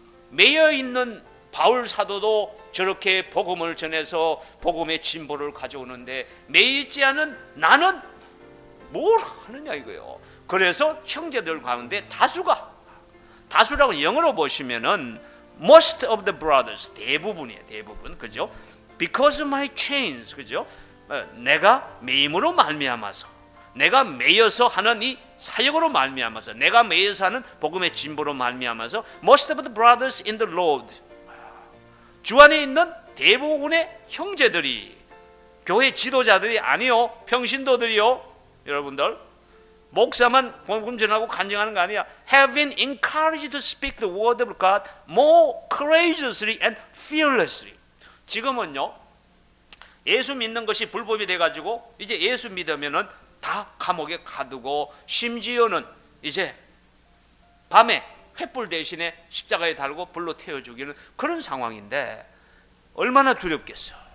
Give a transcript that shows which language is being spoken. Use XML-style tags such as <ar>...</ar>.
<ko>매여 있는 바울 사도도 저렇게 복음을 전해서 복음의 진보를 가져오는데 매여 있지 않은 나는 뭘 하느냐 이거예요. 그래서 형제들 가운데 다수라고 영어로 보시면은</ko> <en>most of the brothers</en> <ko>대부분이에요. 대부분 그죠?</ko> <en>Because my chains</en> <ko>그죠? 내가 매임으로 말미암아서 내가 매여서 하는 이 사역으로 말미암아서 내가 매여서 하는 복음의 진보로 말미암아서</ko> <en>most of the brothers in the Lord</en> <ko>주 안에 있는 대부분의 형제들이 교회 지도자들이 아니요 평신도들이요. 여러분들 목사만 복음 전하고 간증하는 거 아니야.</ko> <en>Have been encouraged to speak the word of God more courageously and fearlessly.</en> <ko>지금은요 예수 믿는 것이 불법이 돼가지고 이제 예수 믿으면은 다 감옥에 가두고 심지어는 이제 밤에 횃불 대신에 십자가에 달고 불로 태워 죽이는 그런 상황인데 얼마나 두렵겠어.</ko>